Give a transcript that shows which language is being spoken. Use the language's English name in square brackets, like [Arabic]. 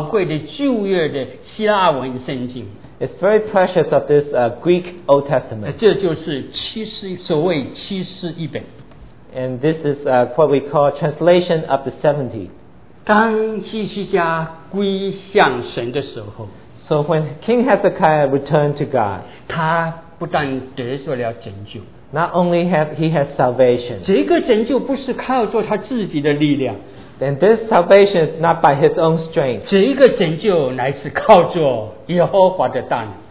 [Chinese] 这个常常我们觉得很宝贵的旧约的希腊文圣经。 [English] It's very precious of this Greek Old Testament. [Chinese] 这就是所谓七十一本。 [English] And this is what we call translation of the 70. [Chinese] 当希西家归向神的时候, [English] so when King Hezekiah returned to God, [Chinese] 他不但得着了拯救, [English] not only have he had salvation, [Chinese] 这个拯救不是靠着他自己的力量, [English] then this salvation is not by his own strength, [Chinese] 这个拯救乃是靠着耶和华的大能,